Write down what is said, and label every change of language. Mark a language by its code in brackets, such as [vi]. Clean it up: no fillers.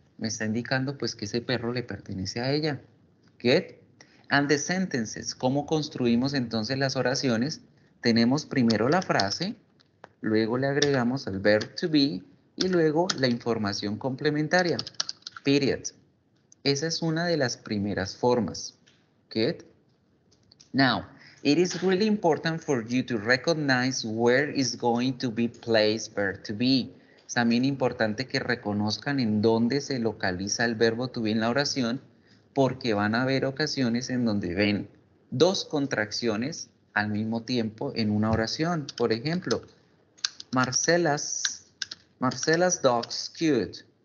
[es] Me está indicando pues que ese perro le pertenece a ella. Good. [en] And the sentences, [es] ¿cómo construimos entonces las oraciones? Tenemos primero la frase, luego le agregamos el verb to be y luego la información complementaria, period. Esa es una de las primeras formas. Good. [en] Now, it is really important for you to recognize where is going to be placed verb to be. [es] Es también importante que reconozcan en dónde se localiza el verbo to be en la oración, porque van a haber ocasiones en donde ven dos contracciones al mismo tiempo en una oración. Por ejemplo, [en] Marcela's dog's cute.